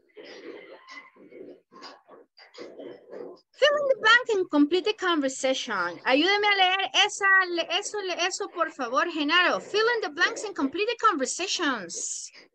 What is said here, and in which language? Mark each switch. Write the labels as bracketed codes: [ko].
[en] Fill in the blank and complete the conversation. [es] Ayúdeme a leer esa, eso, por favor, Genaro. [en] Fill in the blanks and complete the conversations.